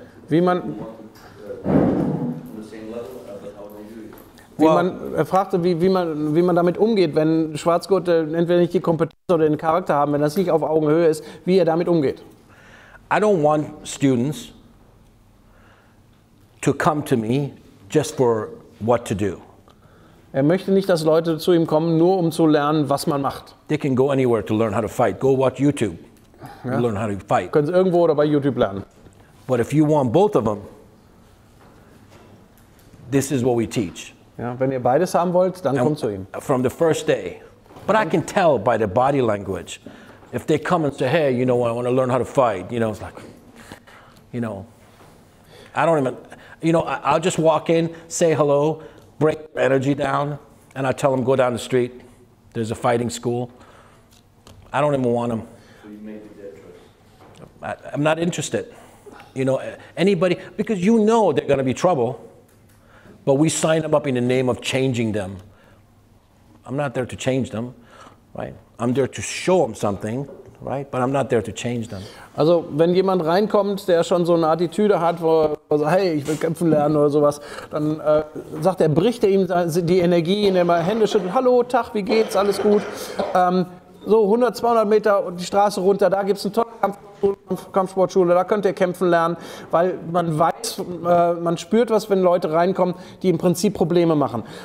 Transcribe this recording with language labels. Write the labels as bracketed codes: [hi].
[de] Wie man, er fragte, wie man damit umgeht, wenn Schwarzgurte entweder nicht die Kompetenz oder den Charakter haben, wenn das nicht auf Augenhöhe ist, wie er damit umgeht. [en] I don't want students to come to me just for what to do. [de] Er möchte nicht, dass Leute zu ihm kommen, nur um zu lernen, was man macht. [en] They can go anywhere to learn how to fight. Go watch YouTube. Ja. Learn how to fight. [de] Können Sie irgendwo oder bei YouTube lernen. [en] But if you want both of them, this is what we teach. [de] Ja, wenn ihr beides haben wollt, dann [en] and [de] kommt zu ihm. [en] From the first day. But I can tell by the body language. If they come and say, hey, you know, I want to learn how to fight. You know, it's like, you know, I don't even, you know, I'll just walk in, say hello, break their energy down, and I tell them, go down the street. There's a fighting school. I don't even want them. I'm not interested. You know, anybody, because you know they're going to be trouble, but we sign them up in the name of changing them. I'm not there to change them, right? I'm there to show them something, right? But I'm not there to change them. [de] Also, wenn jemand reinkommt, der schon so eine Attitüde hat, wo er sagt, hey, ich will kämpfen lernen oder sowas, dann sagt er, bricht er ihm die Energie, indem er Hände schüttelt, hallo, Tag, wie geht's, alles gut. So 100, 200 Meter und die Straße runter, da gibt's einen tollen Kampfsportschule, da könnt ihr kämpfen lernen, weil man weiß, man spürt was, wenn Leute reinkommen, die im Prinzip Probleme machen.